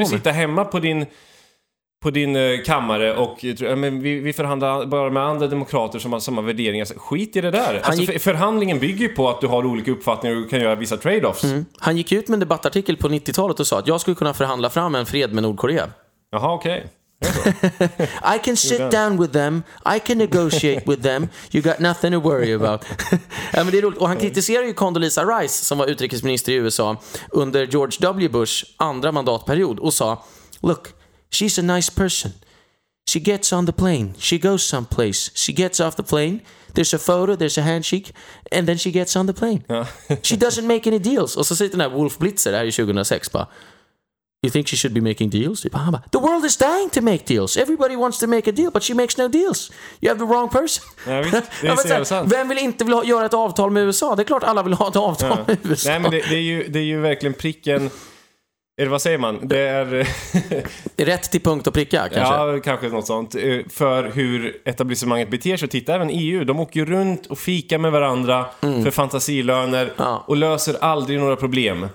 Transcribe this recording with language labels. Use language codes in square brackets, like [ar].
[sv] med. Sen kan du sitta hemma på din kammare och men vi förhandlar bara med andra demokrater som har samma värderingar. Skit i det där. Förhandlingen bygger på att du har olika uppfattningar och kan göra vissa trade-offs. Mm. Han gick ut med en debattartikel på 90-talet och sa att jag skulle kunna förhandla fram en fred med Nordkorea. Jaha, okej. Okay. [en] I can sit down with them. I can negotiate with them. You got nothing to worry about. [sv] Ja, men det är roligt. Och han kritiserar ju Condoleezza Rice som var utrikesminister i USA under George W. Bush andra mandatperiod och sa: [en] "Look, she's a nice person. She gets on the plane. She goes someplace. She gets off the plane. There's a photo, there's a handshake, and then she gets on the plane. She doesn't make any deals." [sv] Och så sitter den här Wolf Blitzer här i 2006 på. [en] You think she should be making deals? The world is dying to make deals. Everybody wants to make a deal, but she makes no deals. You have the wrong person. [sv] Ja, visst. Det är sant. Vem vill inte vilja göra ett avtal med USA? Det är klart alla vill ha ett avtal med USA. Nej, men det är ju verkligen pricken. Eller vad säger man? Det är rätt till punkt och pricka, kanske. Ja, kanske något sånt. För hur etablissemanget beter sig. Titta, även EU. De åker ju runt och fikar med varandra för fantasilöner och löser aldrig några problem.